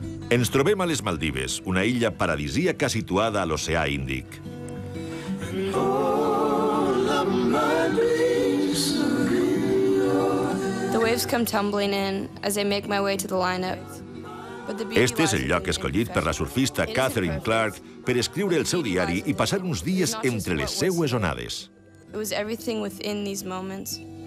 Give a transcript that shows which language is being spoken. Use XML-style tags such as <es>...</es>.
<ca>Ens trobem a les Maldives, una illa paradisíaca situada a l'oceà Índic.</ca> <en>The waves come tumbling in as I make my way to the lineup.</en> <ca>Este és el lloc escollit per la surfista Catherine Clark per escriure el seu diari i passar uns dies entre les seues onades.</ca> <en>It was everything within these moments.</en>